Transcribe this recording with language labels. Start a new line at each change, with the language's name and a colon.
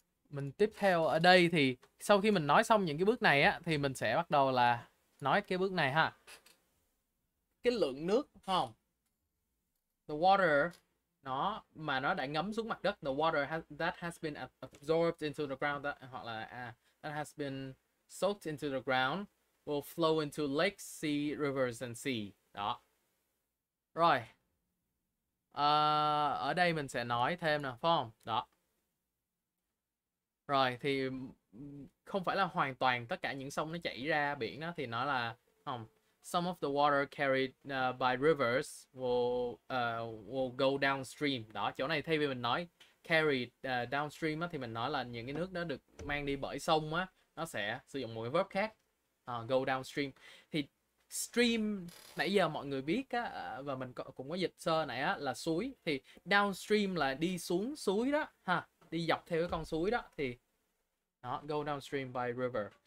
Vietnamese: Mình tiếp theo ở đây thì sau khi mình nói xong những cái bước này á thì mình sẽ bắt đầu là nói cái bước này ha. Cái lượng nước, không?
English: The water
Vietnamese: nó mà nó đã ngấm xuống mặt đất,
English: the water that has been absorbed into the ground that,
Vietnamese: hoặc là
English: that has been soaked into the ground will flow into lakes, sea, rivers and sea. Đó.
Vietnamese: Rồi. Ở đây mình sẽ nói thêm nè, phải không? Đó. Rồi thì không phải là hoàn toàn tất cả những sông nó chảy ra biển đó thì nó là không.
English: Some of the water carried by rivers will go downstream.
Vietnamese: Đó, chỗ này thay vì mình nói
English: carried downstream
Vietnamese: á thì mình nói là những cái nước đó được mang đi bởi sông á, nó sẽ sử dụng một cái verb khác.
English: Go downstream.
Vietnamese: Thì stream nãy giờ mọi người biết á và mình cũng có dịch sơ nãy á là suối, thì downstream là đi xuống suối đó ha, đi dọc theo cái con suối đó thì đó,
English: go downstream by river.